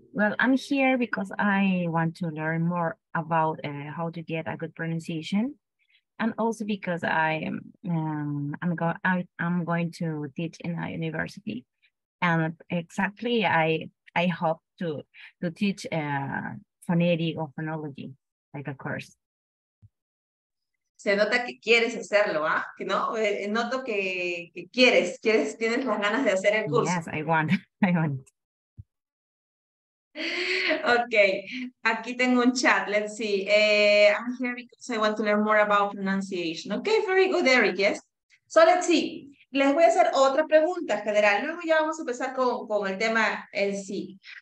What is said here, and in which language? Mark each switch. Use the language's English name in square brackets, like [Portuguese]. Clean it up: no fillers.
[English] Well, I'm here because I want to learn more about how to get a good pronunciation, and also because I'm going to teach in a university, and exactly I hope to teach phonetic or phonology like a course. [Spanish] Se nota que quieres hacerlo, ¿ah? Que no, noto que quieres, tienes las ganas de hacer el curso. [English] Yes, I want. [Spanish] Okay, aquí tengo un chat. [English] Let's see. I'm here because I want to learn more about pronunciation. Okay, very good, Eric. Yes. So let's see. [Spanish] Les voy a hacer otra pregunta general. Luego ya vamos a empezar con el tema en sí.